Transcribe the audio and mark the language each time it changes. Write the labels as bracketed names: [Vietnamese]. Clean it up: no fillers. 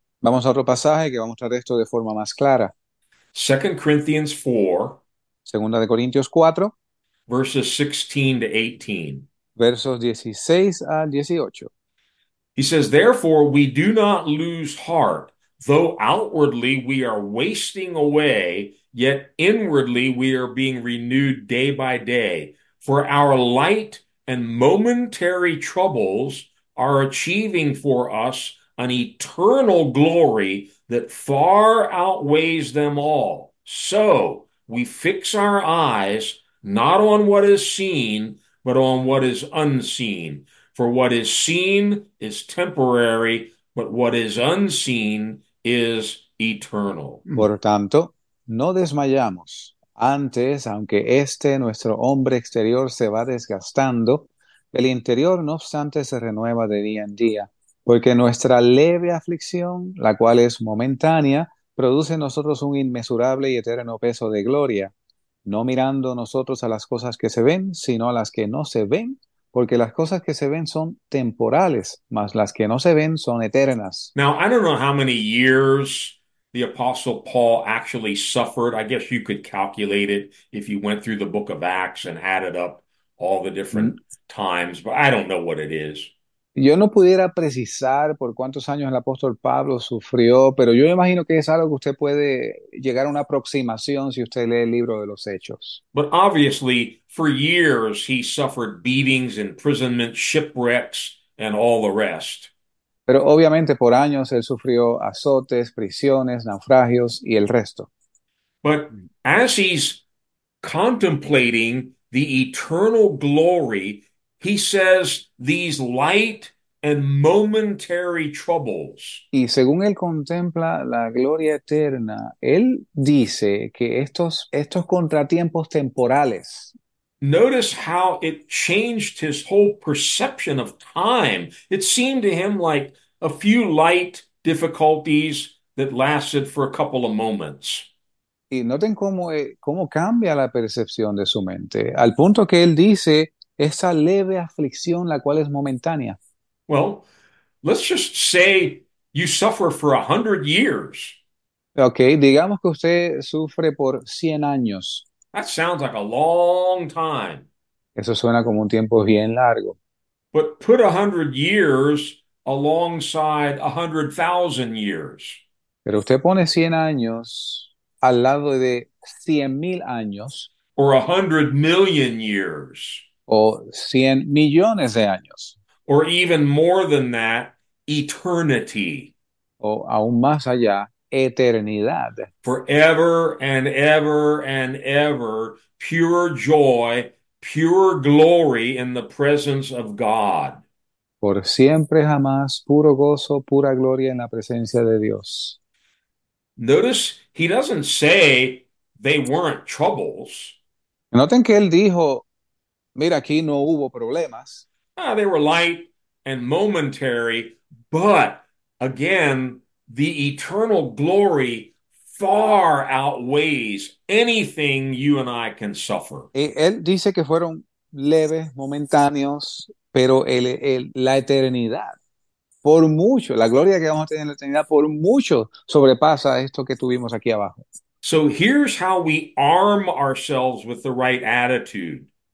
[Spanish] Vamos a otro pasaje que va a mostrar esto de forma más clara. [English] 2 Corinthians 4. [Spanish] Segunda de Corintios 4, [English] Verses 16 to 18. [Spanish] versos 16 al 18. [English] He says, therefore, we do not lose heart, though outwardly we are wasting away, yet inwardly we are being renewed day by day. For our light and momentary troubles are achieving for us an eternal glory that far outweighs them all. So we fix our eyes not on what is seen, but on what is unseen. For what is seen is temporary, but what is unseen is eternal. [Spanish] Por tanto, no desmayamos. Antes, aunque nuestro hombre exterior se va desgastando, el interior no obstante se renueva de día en día, porque nuestra leve aflicción, la cual es momentánea, produce en nosotros un inmesurable y eterno peso de gloria, no mirando nosotros a las cosas que se ven, sino a las que no se ven, porque las cosas que se ven son temporales, mas las que no se ven son eternas. [English] Now, I don't know how many years the Apostle Paul actually suffered. I guess you could calculate it if you went through the book of Acts and added up all the different times, but I don't know what it is. [Spanish] Yo no pudiera precisar por cuántos años el apóstol Pablo sufrió, pero yo imagino que es algo que usted puede llegar a una aproximación si usted lee el libro de los Hechos. [English] But obviously, for years, he suffered beatings, imprisonment, shipwrecks, and all the rest. [Spanish] Pero obviamente por años él sufrió azotes, prisiones, naufragios y el resto. [English] But as he's contemplating the eternal glory, he says these light and momentary troubles. [Spanish] Y según él contempla la gloria eterna, él dice que estos contratiempos temporales. [English] Notice how it changed his whole perception of time. It seemed to him like a few light difficulties that lasted for a couple of moments. [Spanish] Y noten cómo cambia la percepción de su mente, al punto que él dice esa leve aflicción, la cual es momentánea. [English] Well, let's just say you suffer for 100 years. [Spanish] Okay, digamos que usted sufre por 100 años. [English] That sounds like a long time. [Spanish] Eso suena como un tiempo bien largo. [English] But put 100 years alongside 100,000 years. [Spanish] Pero usted pone 100 años al lado de 100.000 años [English] Or 100 million years. [Spanish] o 100 millones de años [English] Or even more than that, eternity. [Spanish] o aún más allá. Eternidad. [English] Forever and ever and ever, pure joy, pure glory in the presence of God. [Spanish] Por siempre jamás, puro gozo, pura gloria en la presencia de Dios. [English] Notice he doesn't say they weren't troubles. [Spanish] Noten que él dijo, mira, aquí no hubo problemas. [English] Ah, they were light and momentary, but again, the eternal glory far outweighs anything you and I can suffer. [Spanish] Él dice que fueron leves, momentáneos, pero la eternidad, por mucho, la gloria que vamos a tener en la eternidad, por mucho sobrepasa esto que tuvimos aquí abajo. [English] So here's how we arm ourselves with the right attitude.